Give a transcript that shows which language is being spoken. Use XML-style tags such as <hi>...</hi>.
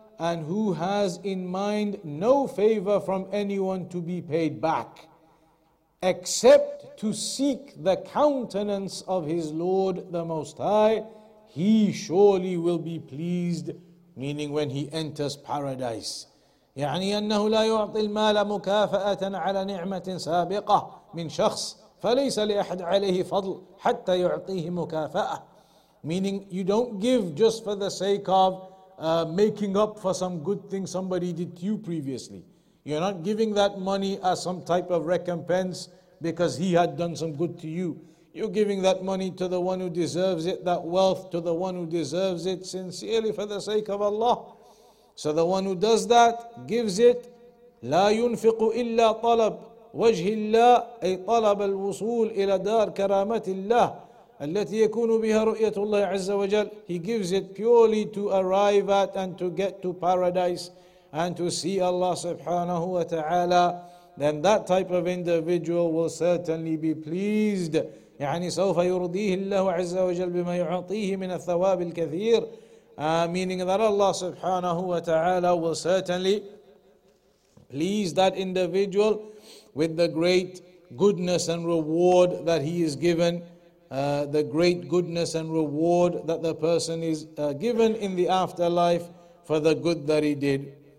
<en>And who has in mind no favor from anyone to be paid back. except to seek the countenance of his Lord the Most High, he surely will be pleased, meaning when he enters paradise.</en> <ar>يعني أنه لا يعطي المال مكافأة على نعمة سابقة من شخص فليس لأحد عليه فضل حتى يعطيه مكافأة.</ar> <en>Meaning you don't give just for the sake of making up for some good thing somebody did to you previously. You're not giving that money as some type of recompense because he had done some good to you. You're giving that money to the one who deserves it, that wealth to the one who deserves it sincerely for the sake of Allah. So the one who does that, gives it,</en> <ar>لا ينفق إلا طلب وجه الله أي طلب الوصول إلى دار كرامة الله التي يكون بها رؤية الله عز وجل.</ar> <en>He gives it purely to arrive at and to get to paradise and to see Allah subhanahu wa ta'ala. Then that type of individual will certainly be pleased.</en> <ar>يعني سوف يرضيه الله عز وجل بما يعطيه من الثواب الكثير.</ar> <en>Meaning that Allah subhanahu wa ta'ala will certainly please that individual with the great goodness and reward that he is given, the great goodness and reward that the person is given in the afterlife for the good that he did.</en>